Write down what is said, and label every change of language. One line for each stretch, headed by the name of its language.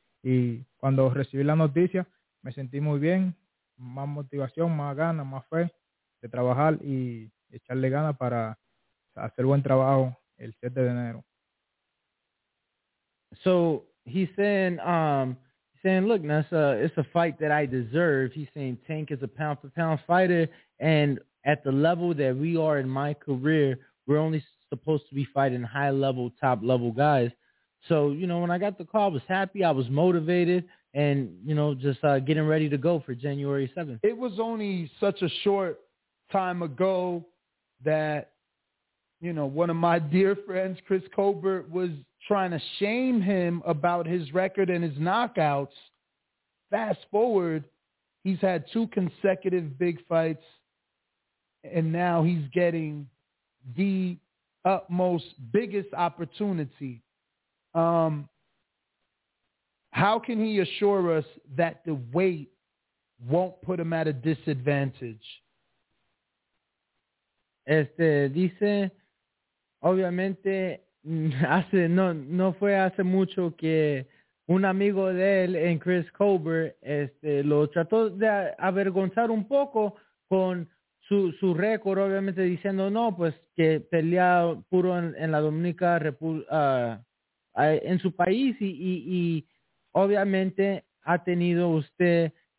Spanish: Y cuando recibí la noticia, me sentí muy bien, más motivación, más ganas, más fe de trabajar y echarle ganas para hacer buen trabajo el 7 de enero.
English: So he's saying, look, Nessa, it's a fight that I deserve. He's saying Tank is a pound-for-pound fighter, and at the level that we are in my career, we're only supposed to be fighting high-level, top-level guys. So, you know, when I got the call, I was happy, I was motivated, and, you know, just getting ready to go for January 7th. It was only such a short time ago that, you know, one of my dear friends, Chris Colbert, was trying to shame him about his record and his knockouts. Fast forward, he's had two consecutive big fights, and now he's getting the utmost biggest opportunity. How can he assure us that the weight won't put him at a disadvantage?
Spanish: Dice, obviamente, no fue hace mucho que un amigo de él, en Chris Colbert, lo trató de avergonzar un poco con su récord, obviamente diciendo, no, pues que pelea puro en la Dominica República, en su país, y obviamente ha tenido usted